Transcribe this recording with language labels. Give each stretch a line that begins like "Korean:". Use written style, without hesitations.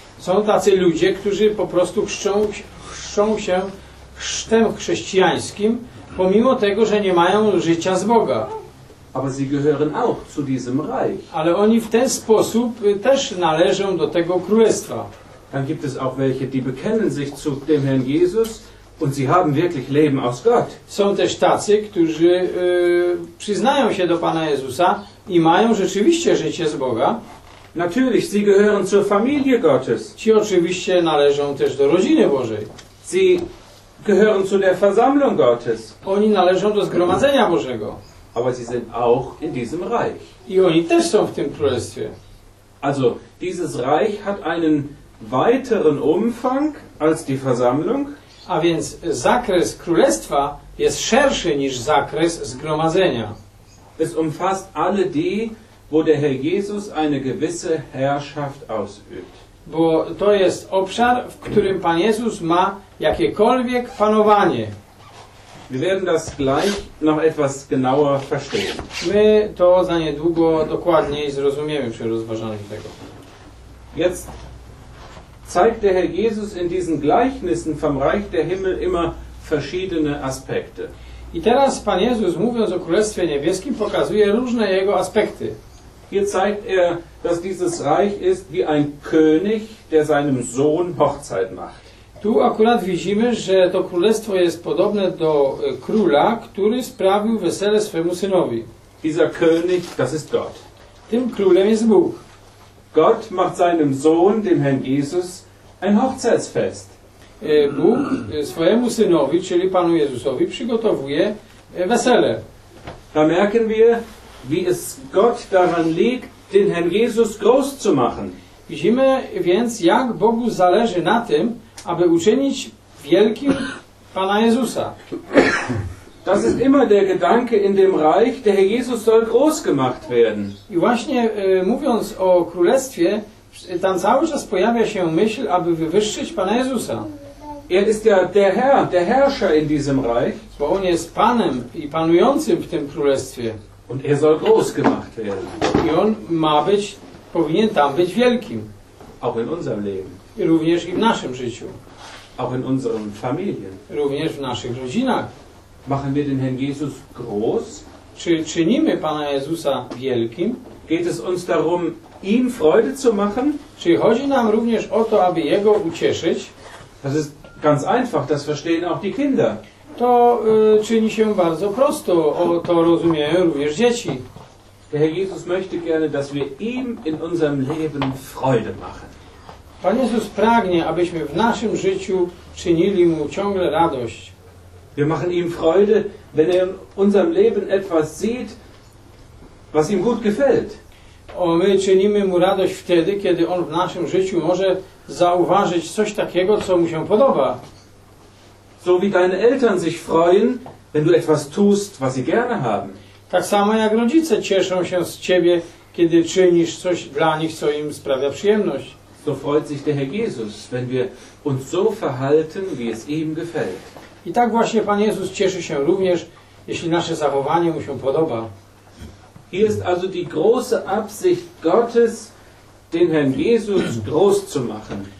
Polish: Są tacy ludzie, którzy po prostu chrzczą się chrztem chrześcijańskim, pomimo tego, że nie mają życia z Boga.
German: Aber sie gehören auch zu diesem Reich.
Polish: Ale oni w ten sposób też należą do tego królestwa.
German: Dann gibt es auch welche, die bekennen sich zu dem Herrn Jesus und sie haben wirklich Leben aus Gott.
Polish: Są też tacy, którzy przyznają się do Pana Jezusa i mają rzeczywiście życie z Boga.
German: Natürlich, sie gehören zur Familie Gottes.
Polish: Ci oczywiście należą też do rodziny Bożej.
German: Sie gehören zu der Versammlung Gottes.
Polish: Oni należą do zgromadzenia Bożego.
German: Aber sie sind auch in diesem Reich.
Polish: I oni też są w tym królestwie.
German: Also, dieses Reich hat einen weiteren Umfang als die Versammlung.
Polish: A więc zakres królestwa jest szerszy niż zakres zgromadzenia.
German: Es umfasst alle die, wo der Herr Jesus eine gewisse Herrschaft ausübt.
Polish: Bo to jest obszar, w którym Pan Jezus ma jakiekolwiek panowanie.
German: Wir werden das gleich noch etwas genauer verstehen.
Polish: My to za niedługo dokładniej zrozumiemy przy rozważaniu tego.
German: Jetzt zeigt der Herr Jesus in diesen Gleichnissen vom Reich der Himmel immer verschiedene Aspekte.
Polish: I teraz Pan Jezus, mówiąc o Królestwie Niebieskim, pokazuje różne jego aspekty.
German: Hier zeigt er, dass dieses Reich ist wie ein König, der seinem Sohn Hochzeit macht.
Polish: Tu akurat widzimy, że to królestwo jest podobne do króla, który sprawił wesele swemu synowi.
German: Dieser König, das ist Gott.
Polish: Tym królem jest Bóg.
German: Gott macht seinem Sohn, dem Herrn Jesus, ein Hochzeitsfest.
Polish: Bóg swojemu synowi, czyli Panu Jezusowi, przygotowuje wesele.
German: Da merken wir, wie es Gott daran liegt, den Herrn Jesus groß zu machen.
Polish: Widzimy więc, jak Bogu zależy na tym, aby uczynić wielkim Pana Jezusa.
German: Das ist immer der Gedanke in dem Reich, der Herr Jesus soll groß gemacht werden.
Polish: I właśnie mówiąc o Królestwie, tam cały czas pojawia się myśl, aby wywyższyć Pana Jezusa.
German: Er ist ja der Herr, der Herrscher in diesem Reich.
Polish: Bo on jest Panem i panującym w tym Królestwie.
German: Und er soll groß gemacht werden.
Polish: I on ma być, powinien tam być wielkim.
German: Auch in unserem Leben.
Polish: I również i w naszym życiu.
German: Auch in unseren Familien.
Polish: Również w naszych rodzinach.
German: Machen wir den Herrn Jesus groß?
Polish: Czy czynimy Pana Jezusa wielkim?
German: Geht es uns darum, ihm Freude zu machen?
Polish: Czy chodzi nam również o to, aby Jego ucieszyć?
German: Das ist ganz einfach, das verstehen auch die Kinder.
Polish: To czyni się bardzo prosto, o to rozumieją również dzieci.
German: Der Herr Jesus möchte gerne, dass wir ihm in unserem Leben Freude machen.
Polish: Pan Jezus pragnie, abyśmy w naszym życiu czynili Mu ciągle radość.
German: Wir machen ihm Freude, wenn er in unserem Leben etwas sieht, was ihm gut gefällt.
Polish: O, my czynimy Mu radość wtedy, kiedy On w naszym życiu może zauważyć coś takiego, co Mu się podoba.
German: So wie deine Eltern sich freuen, wenn du etwas tust, was sie gerne haben.
Polish: Tak samo jak rodzice cieszą się z Ciebie, kiedy czynisz coś dla nich, co im sprawia przyjemność.
German: So freut sich der Herr Jesus, wenn wir uns so verhalten, wie es ihm gefällt.
Polish: I tak właśnie Pan Jezus cieszy się również, jeśli nasze zachowanie Mu się podoba.
German: Hier ist also die große Absicht Gottes, den Herrn Jesus groß zu machen.